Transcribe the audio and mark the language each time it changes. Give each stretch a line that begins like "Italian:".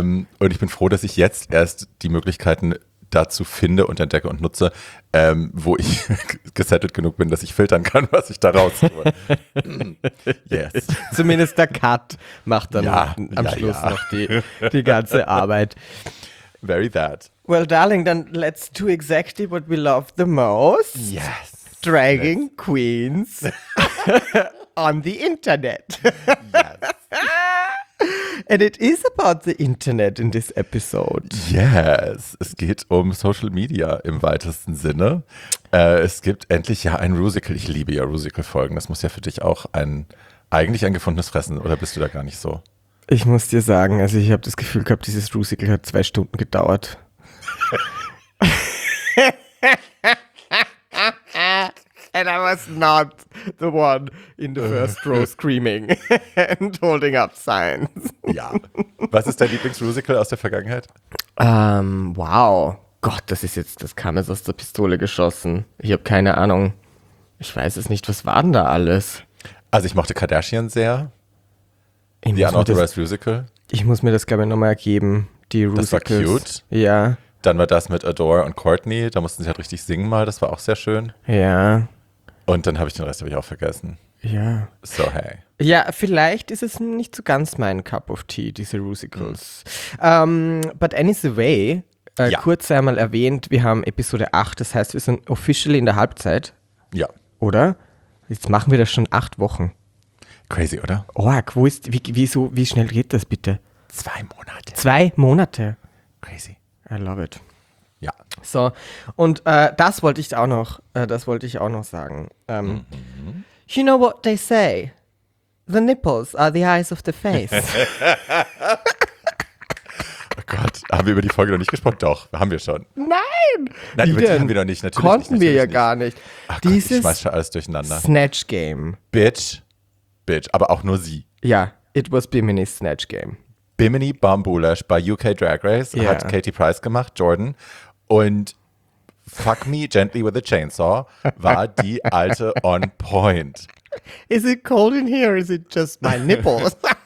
German: Und ich bin froh, dass ich jetzt erst die Möglichkeiten dazu finde und entdecke und nutze, wo ich gesettelt genug bin, dass ich filtern kann, was ich da raushole.
English: Yes.
German: Zumindest der Cut macht dann am Schluss noch die ganze Arbeit.
English: Very that. Well, darling, then let's do exactly what we love the most. Yes. Dragging queens on the internet. Yes. And it is about the internet in this episode.
German: Yes, es geht um Social Media im weitesten Sinne. Es gibt endlich ja ein Rusical. Ich liebe ja Rusical-Folgen. Das muss ja für dich auch eigentlich ein gefundenes Fressen, oder bist du da gar nicht so? Ich muss dir sagen, also ich habe das Gefühl gehabt, dieses Rusical hat 2 Stunden gedauert.
English: And I was not the one in the first row screaming and holding up signs.
German: Ja. Was ist dein Lieblingsrusical aus der Vergangenheit? Wow. Gott, das kam jetzt aus der Pistole geschossen. Ich habe keine Ahnung. Ich weiß es nicht. Was war denn da alles? Also ich mochte Kardashian sehr. Die Unauthorized Rusical. Ich muss mir das, glaube ich, nochmal ergeben. Die Rusicals. Das war cute. Ja. Dann war das mit Adore und Courtney. Da mussten sie halt richtig singen mal. Das war auch sehr schön. Ja. Und dann habe ich den Rest auch vergessen. Ja.
English: So, hey.
German: Ja, vielleicht ist es nicht so ganz mein
English: Cup of Tea,
German: diese Rusicals. Mhm.
English: But anyway,
German: kurz einmal erwähnt, wir haben Episode 8. Das heißt, wir sind officially in der Halbzeit. Ja. Oder? Jetzt machen wir das schon 8 Wochen. Crazy, oder? Org, wie schnell geht das bitte? 2 Monate. 2 Monate.
English: Crazy. I love it.
German: Ja. So, und das wollte ich auch noch sagen.
English: You know what they say? The nipples are the eyes of the face.
German: Oh Gott, haben wir über die Folge noch nicht gesprochen? Doch, haben wir schon. Nein! Nein, wie über denn? Die haben wir noch nicht, natürlich. Konnten nicht, natürlich wir ja nicht. Gar nicht. Ach dieses Gott, ich schmeiß schon alles durcheinander.
English: Snatch Game.
German: Bitch. Aber auch nur sie.
English: Ja, it was Bimini's Snatch Game.
German: Bimini Bambulash bei UK Drag Race hat Katie Price gemacht, Jordan. Und Fuck Me Gently with a Chainsaw war die alte on point.
English: Is it cold in here or is it just my nipples?